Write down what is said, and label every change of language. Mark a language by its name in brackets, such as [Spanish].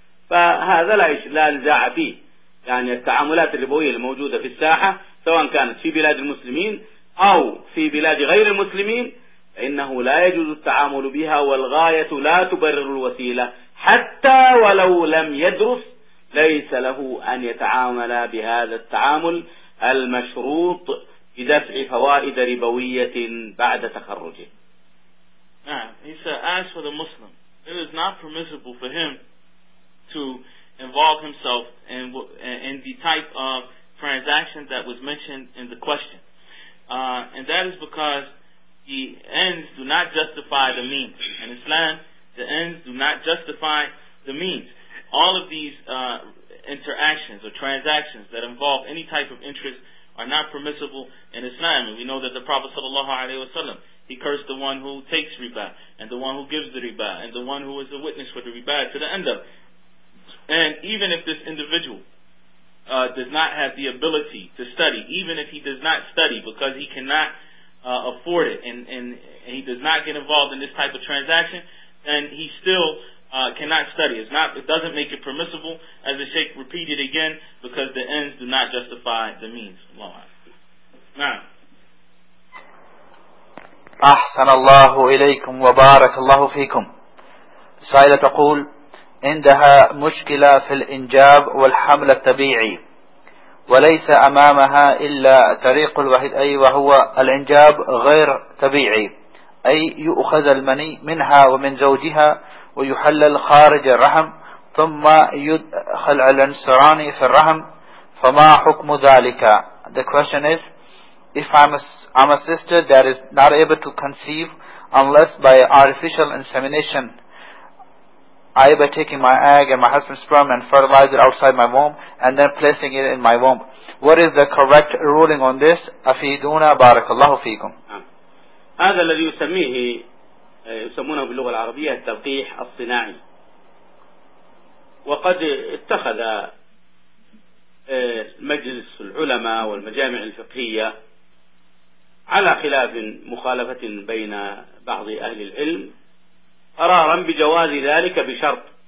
[Arabic] فهذا لا نزاع فيه. يعني التعاملات الربوية الموجودة في الساحة سواء كانت في بلاد المسلمين أو في بلاد غير المسلمين إنه لا يجوز التعامل بها, والغاية لا تبرر الوسيلة. حتى ولو لم يدرس ليس له أن يتعامل بهذا التعامل المشروط بدفع فوائد ربوية بعد تخرجه. نعم. [English] He said, as for the Muslim, it is not permissible for him to involve himself in the type of transaction that was mentioned in the question. And that is because the ends do not justify the means. In Islam, the ends do not justify the means. All of these interactions or transactions that involve any type of interest are not permissible in Islam. And we know that the Prophet [Arabic] sallallahu alaihi wasallam, [English] he cursed the one who takes riba and the one who gives the riba and the one who is a witness for the riba to the end of. And even if this individual does not have the ability to study, even if he does not study because he cannot afford it and he does not get involved in this type of transaction, then he still cannot study. It doesn't make it permissible, as the Sheikh repeated again, because the ends do not justify the means. Allah. Now. [Arabic] أحسن الله إليكم وبارك الله فيكم. السائلة تقول عندها مشكلة في الإنجاب والحمل الطبيعي وليس أمامها إلا طريق الوحيد, أي وهو الإنجاب غير طبيعي, أي يؤخذ المني منها ومن زوجها ويحلل خارج الرحم ثم يدخل العنصران في الرحم, فما حكم ذلك؟ [English] The question is, if I'm a sister that is not able to conceive unless by artificial insemination, I by taking my egg and my husband's sperm and fertilize it outside my womb and then placing it in my womb, what is the correct ruling on this? [Arabic] Afiduna barakallahu feekum. هذا الذي يسميه يسمونه باللغة العربية التلقيح الصناعي، وقد اتخذ مجلس العلماء والمجامع الفقهية على خلاف مخالفة بين بعض أهل العلم قرارا بجواز ذلك بشرط